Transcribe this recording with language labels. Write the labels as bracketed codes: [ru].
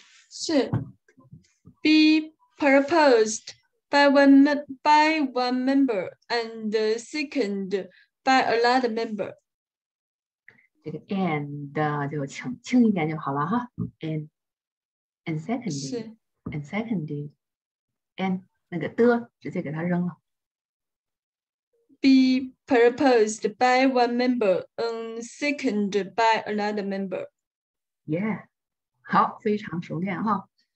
[en] 是 be proposed by one member and seconded by another member。 [zh] 这个 and 就轻一点就好了哈， [en] and seconded， [zh] and 是。 [en] seconded，and [zh] 那个的直接给它扔了。 [en] be proposed by one member and seconded by another member。 [zh] Yeah，好，非常熟练哈。